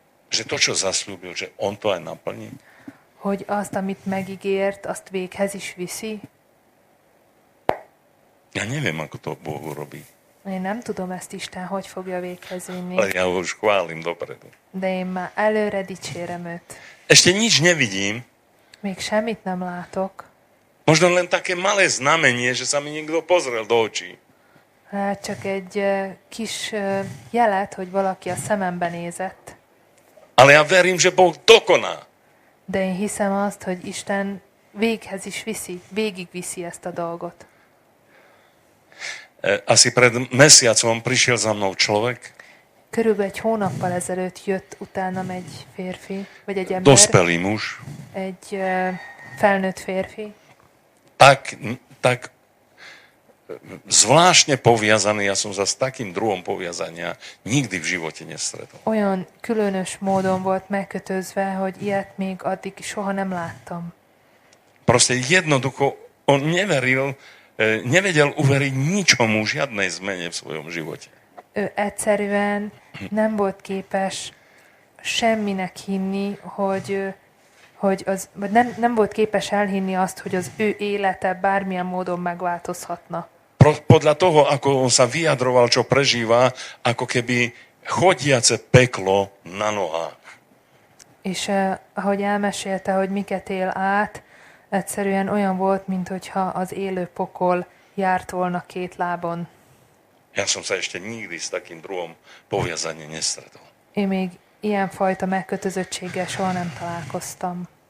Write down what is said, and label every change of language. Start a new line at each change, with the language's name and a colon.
Slovak: Že to, čo zasľúbil, že on to aj naplní.
Hungarian: Hogy azt, amit megígért, azt véghez is viszi.
Slovak: Ja neviem, ako to Boh urobí.
Hungarian: Én nem tudom ezt Isten, hogy fogja véghez vinni.
Slovak: Ale ja už chválim dopredu.
Hungarian: De én már előre dicsérem őt.
Slovak: Ešte nič nevidím.
Hungarian: Még semmit nem látok.
Slovak: Možno len také malé znamenie, že sa mi niekto pozrel do očí.
Hungarian: Hát csak egy kis jelet, hogy valaki a szemembe nézett.
Slovak: Ale ja verím, že Boh dokoná.
Hungarian: De én hiszem azt, hogy Isten véghez is viszi, végig viszi ezt a dolgot.
Slovak: Asi pred mesiacom prišiel za mnou človek.
Hungarian: Körülbelül egy hónappal ezelőtt jött utánam egy férfi, vagy egy ember.
Slovak: Dospelý muž.
Hungarian: Egy felnőtt férfi.
Slovak: Tak zvláštne poviazaný, ja som sa s takým druhom poviazania nikdy v živote nestretol.
Hungarian: Olyan különös módon volt megkötözve, hogy ilyet még addig soha nem láttam.
Slovak: Proste jednoducho on nevedel uveriť ničomu, žiadnej zmene v svojom živote.
Hungarian: Ő egyszerűen nem volt képes semminek hinni, hogy hogy az, vagy nem volt képes elhinni azt, hogy az ő élete bármilyen módon megváltozhatna.
Slovak: Podľa toho, ako on sa vyjadroval, čo prežíva, ako keby chodiace peklo na nohách.
Hungarian: És ahogy elmesélte, hogy miket él át, egyszerűen olyan volt, mint hogyha az élő pokol járt volna két lábon.
Slovak: Ja som sa ešte nikdy s takým druhom poviazanie nestretol.
Hungarian: Én még ilyenfajta megkötözöttséggel soha nem találkoztam.